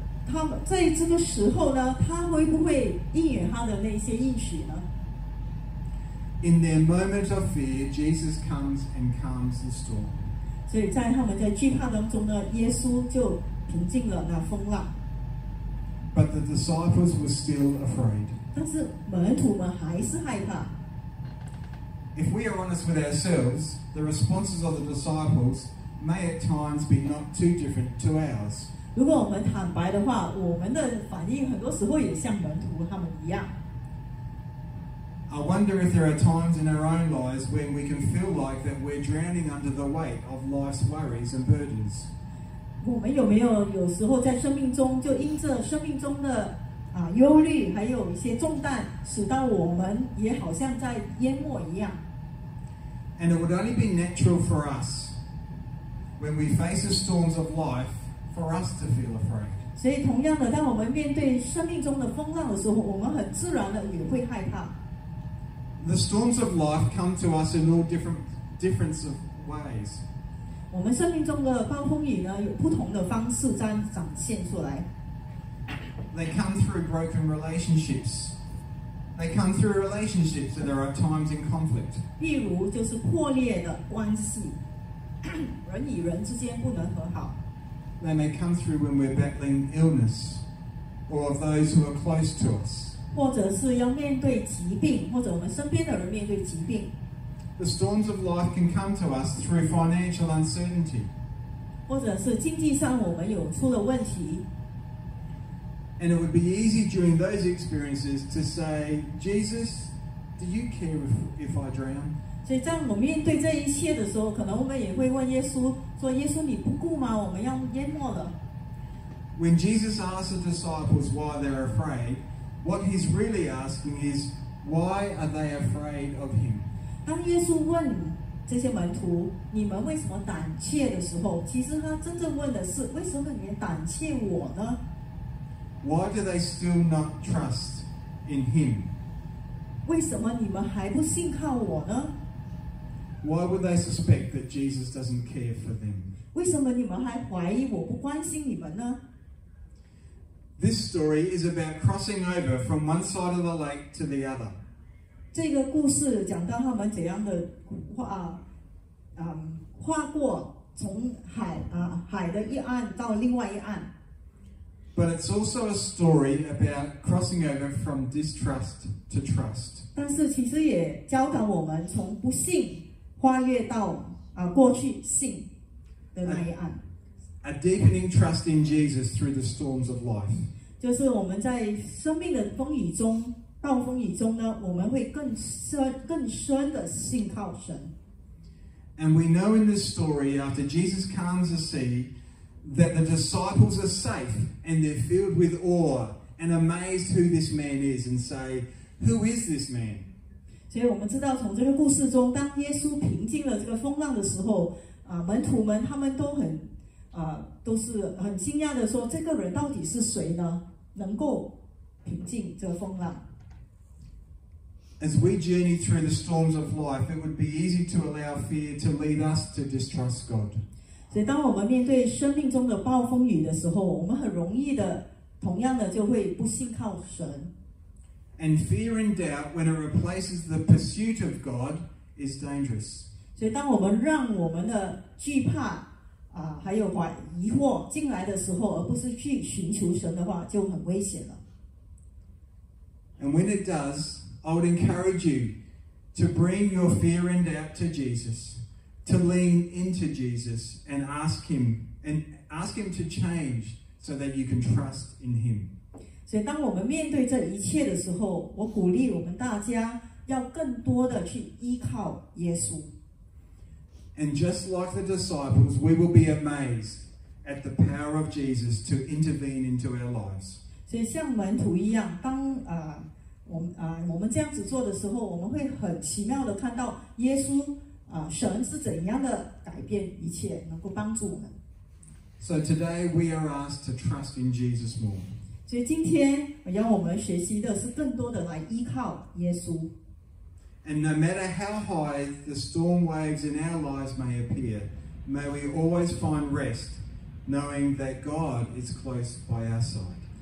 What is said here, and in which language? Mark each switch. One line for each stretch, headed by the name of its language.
Chinese: 他在这个时候呢，他会不会应允他的那些应许呢？
English: In their moment of fear, Jesus comes and calms the storm.
Chinese: 所以在他们的惧怕当中呢，耶稣就平静了那风浪。
English: But the disciples were still afraid.
Chinese: 但是门徒们还是害怕。
English: If we are honest with ourselves, the responses of the disciples may at times be not too different to ours.
Chinese: 如果我们坦白的话，我们的反应很多时候也像门徒他们一样。
English: I wonder if there are times in our own lives when we can feel like that we're drowning under the weight of life's worries and burdens.
Chinese: 我们有没有有时候在生命中就因着生命中的忧虑还有一些重担，使到我们也好像在淹没一样。
English: And it would only be natural for us when we face the storms of life for us to feel afraid.
Chinese: 所以同样的，当我们面对生命中的风浪的时候，我们很自然的也会害怕。
English: The storms of life come to us in all different of ways.
Chinese: 我们生命中的暴风雨呢，有不同的方式在展现出来。
English: They come through broken relationships. They come through relationships that are at times in conflict.
Chinese: 例如就是破裂的关系，人与人之间不能和好。
English: They may come through when we're battling illness, or of those who are close to us.
Chinese: 或者是要面对疾病，或者我们身边的人面对疾病。
English: The storms of life can come to us through financial uncertainty.
Chinese: 或者是经济上我们有出了问题。
English: And it would be easy during those experiences to say, Jesus, do you care if I drown?
Chinese: 所以在我面对这一切的时候，可能我们也会问耶稣，说耶稣你不顾吗？我们要淹没了。
English: When Jesus asks the disciples why they're afraid,What he's really asking is, why are they afraid of him?
Chinese: 当耶稣问这些门徒，你们为什么胆怯的时候，其实他真正问的是，为什么你们胆怯我呢？
English: Why do they still not trust in him?
Chinese: 为什么你们还不信靠我呢？
English: Why would they suspect that Jesus doesn't care for them?
Chinese: 为什么你们还怀疑我不关心你们呢？
English: This story is about crossing over from one side of the lake to the other.
Chinese: 这个故事讲到他们怎样的跨过从海的一岸到另外一岸。
English: But it's also a story about crossing over from distrust to trust.
Chinese: 但是其实也教导我们从不信跨越到过去信的那一岸。
English: A deepening trust in Jesus through the storms of life.
Chinese: 就是我们在生命的风雨中，暴风雨中呢，我们会更深的信靠神。
English: And we know in this story, after Jesus calms the sea, that the disciples are safe and they're filled with awe and amazed who this man is and say, "Who is this man?"
Chinese: 所以我们知道，从这个故事中，当耶稣平静了这个风浪的时候，门徒们他们都很。都是很惊讶的说，这个人到底是谁呢？能够平静这风浪。
English: As we journey through the storms of life, it would be easy to allow fear to lead us to distrust God.
Chinese: 所以，当我们面对生命中的暴风雨的时候，我们很容易的，同样的就会不信靠神。
English: And fear and doubt, when it replaces the pursuit of God, is dangerous.
Chinese: 所以，当我们让我们的惧怕还有疑惑进来的时候，而不是去寻求神的话，就很危险了。
English: And when it does, I would encourage you to bring your fear and doubt to Jesus, to lean into Jesus and ask him to change so that you can trust in him.
Chinese: 所以当我们面对这一切的时候，我鼓励我们大家要更多的去依靠耶稣。
English: And just like the disciples, we will be amazed at the power of Jesus to intervene into our lives.
Chinese: 所以像门徒一样，当我们这样子做的时候，我们会很奇妙的看到耶稣神是怎样的改变一切，能够帮助我们。
English: So today we are asked to trust in Jesus more.
Chinese: 所以今天要我们学习的是更多的来依靠耶稣。
English: And no matter how high the storm waves in our lives may appear, may we always find rest, knowing that God is close by our side.